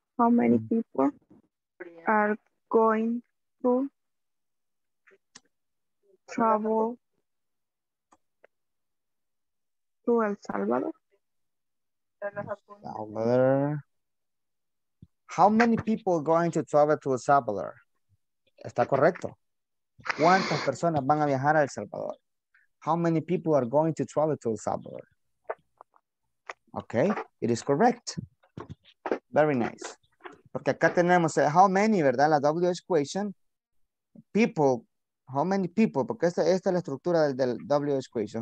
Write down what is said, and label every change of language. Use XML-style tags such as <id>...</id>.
<en>How many people are going to travel to El Salvador? Salvador. How many people going to travel to El Salvador?</en> <es>Está correcto. ¿Cuántas personas van a viajar a El Salvador?</es> <en>How many people are going to travel to El Salvador? Okay, it is correct. Very nice.</en> <es>Porque acá tenemos how many, ¿verdad? La WH question.</es> <en>People, how many people?</en> <es>Porque esta es la estructura del WH question.</es>